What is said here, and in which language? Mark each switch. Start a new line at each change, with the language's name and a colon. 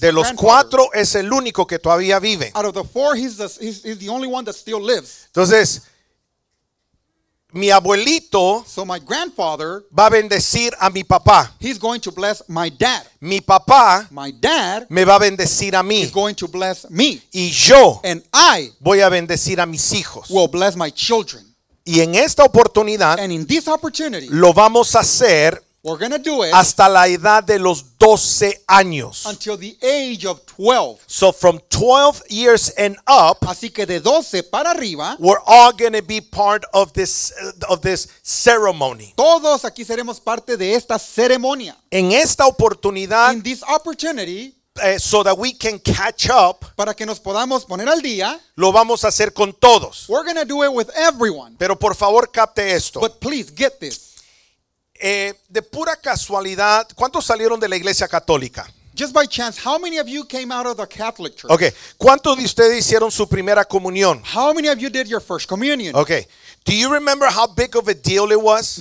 Spanish: De los cuatro es el único que todavía vive.
English: Out of the four, he's the only one that still lives.
Spanish: Entonces, mi abuelito,
English: so my grandfather,
Spanish: va a bendecir a mi papá.
English: He's going to bless my dad.
Spanish: Mi papá,
English: my dad,
Spanish: me va a bendecir a mí.
English: He's going to bless me.
Spanish: Y yo,
English: and I,
Spanish: voy a bendecir a mis hijos.
English: Will bless my children.
Spanish: Y en esta oportunidad,
English: and in this opportunity,
Spanish: lo vamos a hacer,
English: we're gonna do it,
Spanish: hasta la edad de los 12 años.
English: Until the age of 12. So from 12 years and up,
Spanish: así que de 12 para arriba,
English: we're all going to be part of this ceremony.
Spanish: Todos aquí seremos parte de esta ceremonia. En esta oportunidad,
English: in this opportunity, so that we can catch up,
Spanish: para que nos podamos poner al día, lo vamos a hacer con todos.
English: We're going to do it with everyone.
Spanish: Pero por favor, capte esto.
English: But please get this.
Spanish: De pura casualidad, ¿cuántos salieron de la Iglesia Católica?
English: Just by chance, how many of you came out of the Catholic Church?
Spanish: Okay. ¿Cuántos de ustedes hicieron su primera comunión?
English: How many of you did your first communion? Okay. Do you remember how big of a deal it was?